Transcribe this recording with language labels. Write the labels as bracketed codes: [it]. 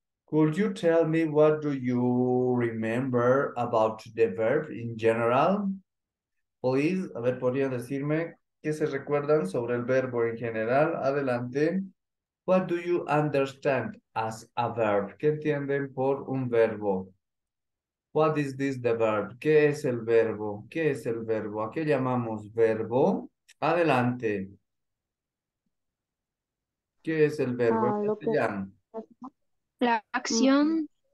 [en] Could you tell me what do you remember about the verb in general? [es] Please, a ver, ¿podría decirme qué se recuerdan sobre el verbo en general? Adelante. [en] What do you understand as a verb? [es] ¿Qué entienden por un verbo? [en] What is this the verb? [es] ¿Qué es el verbo? ¿Qué es el verbo? ¿A qué llamamos verbo? Adelante. ¿Qué es el verbo en Lo que castellano? la acción.